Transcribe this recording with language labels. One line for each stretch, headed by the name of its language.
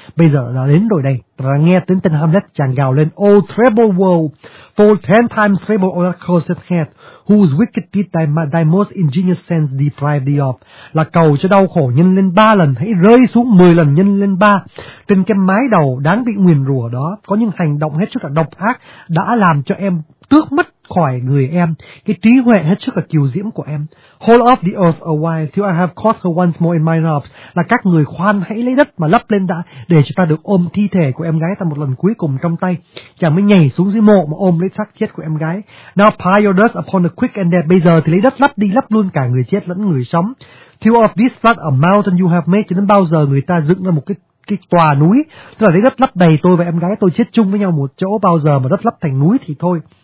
Vietnamese: Bây giờ là đến rồi đây. Và nghe tiếng tên Hamlet, chàng gào lên,
English: oh treble woe, for 10 times treble on a cursed head, whose wicked deed thy most ingenious sense deprived thee of.
Vietnamese: Là cầu cho đau khổ nhân lên 3 lần, hãy rơi xuống 10 lần nhân lên 3 trên cái mái đầu đáng bị nguyền rủa đó, có những hành động hết sức là độc ác đã làm cho em tước mất khỏi người em cái trí huệ hết sức là kiều diễm của em.
English: Hold off the earth a while till I have caught her once more in my arms.
Vietnamese: Là các người khoan hãy lấy đất mà lấp lên đã, để cho ta được ôm thi thể của em gái ta một lần cuối cùng trong tay. Chàng mới nhảy xuống dưới mộ mà ôm lấy xác chết của em gái.
English: Now pile your dust upon the quick and dead.
Vietnamese: Bây giờ thì lấy đất lấp đi, lấp luôn cả người chết lẫn người sống.
English: Till of this flood a mountain you have made.
Vietnamese: Cho đến bao giờ người ta dựng ra một cái tòa núi, tức là lấy đất lấp đầy tôi và em gái tôi chết chung với nhau một chỗ, bao giờ mà đất lấp thành núi thì thôi.